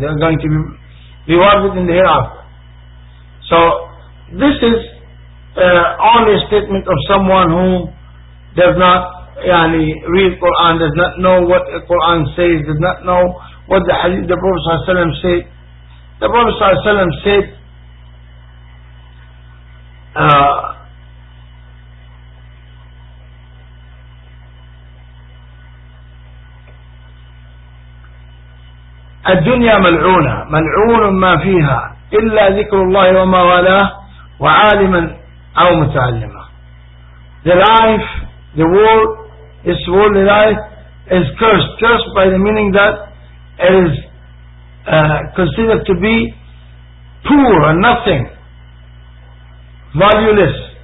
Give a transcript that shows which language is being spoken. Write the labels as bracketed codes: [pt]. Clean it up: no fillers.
[en] They are going to be rewarded in the hereafter. So this is only a statement of someone who does not يعني read Quran, does not know what the Quran says, does not know what the hadith the Prophet [ar] صلى الله عليه وسلم [en] said. The Prophet [ar] صلى الله عليه وسلم [en] said, [ar] الدنيا ملعونة, ملعون ما فيها إلا ذكر الله وما والاه وعالما أو متعلما. [en] The life, the world, this worldly life is cursed. Cursed by the meaning that it is considered to be poor and nothing, valueless.